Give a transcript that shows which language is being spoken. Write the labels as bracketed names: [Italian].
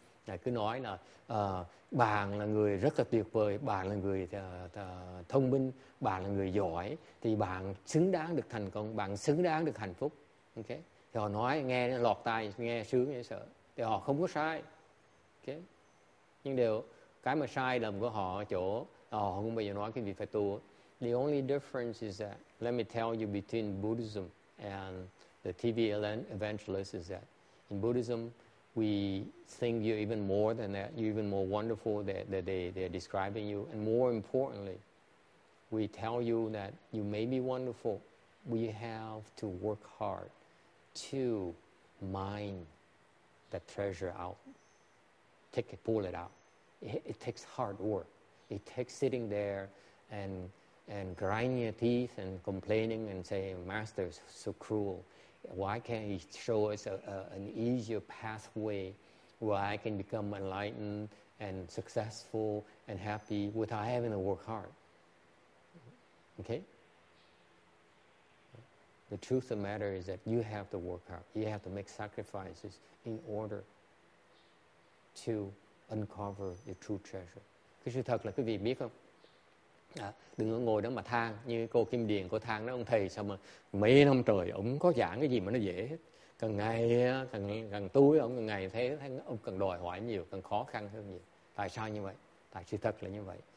[Vietnamese] Là cứ nói là bạn là người rất là tuyệt vời, bạn là người thông minh, bạn là người giỏi, thì bạn xứng đáng được thành công, bạn xứng đáng được hạnh phúc. Ok, thì họ nói nghe lọt tai, nghe sướng nghe sợ, thì họ không có sai. Ok, nhưng điều cái mà sai lầm của họ ở chỗ họ không bao giờ nói cái gì phải tu. [English] The only difference is that, let me tell you, between Buddhism and the TV evangelist is that in Buddhism we think you're even more than that, you're even more wonderful that they're describing you. And more importantly, we tell you that you may be wonderful, but you have to work hard to mine that treasure out. Take it, pull it out. It takes hard work. It takes sitting there and grinding your teeth and complaining and saying, Master is so cruel. Why can't he show us an easier pathway where I can become enlightened and successful and happy without having to work hard? Okay? The truth of the matter is that you have to work hard. You have to make sacrifices in order to uncover your true treasure. [Vietnamese] Cái sự thật là quý vị biết không? À, đừng có ngồi đó mà than như cô Kim Điền, cô than đó ông thầy sao mà mấy năm trời ông có giảng cái gì mà nó dễ hết, càng ngày tối ông càng ngày thấy ông càng đòi hỏi nhiều, càng khó khăn hơn nhiều. Tại sao như vậy? Tại sự thật là như vậy.